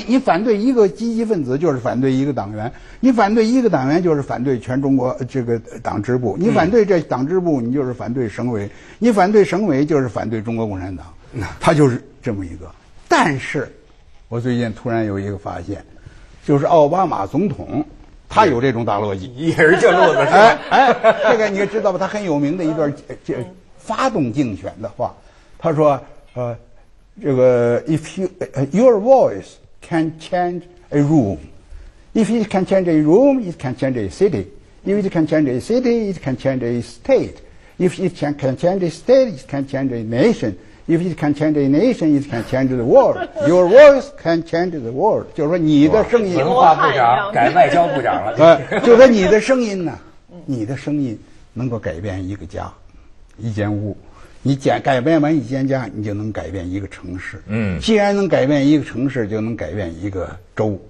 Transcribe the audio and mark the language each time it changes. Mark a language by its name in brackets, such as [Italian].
[Chinese] 你反对一个积极分子，就是反对一个党员；你反对一个党员，就是反对全中国这个党支部；你反对这党支部，你就是反对省委；你反对省委，就是反对中国共产党。他就是这么一个。但是，我最近突然有一个发现，就是奥巴马总统，他有这种大逻辑，也是这路子。这个你知道吧？他很有名的一段这发动竞选的话，他说这个 [English] if your voice can change a room, if it can change a room, it can change a city. If it can change a city, it can change a state. If it can change a state, it can change a nation. If it can change a nation, it can change the world. Your voice can change the world. [Chinese] 就是说你的声音，文化部长改外交部长了。就说你的声音呢，你的声音能够改变一个家，一间屋。你改变完一间家，你就能改变一个城市。嗯，既然能改变一个城市，就能改变一个州。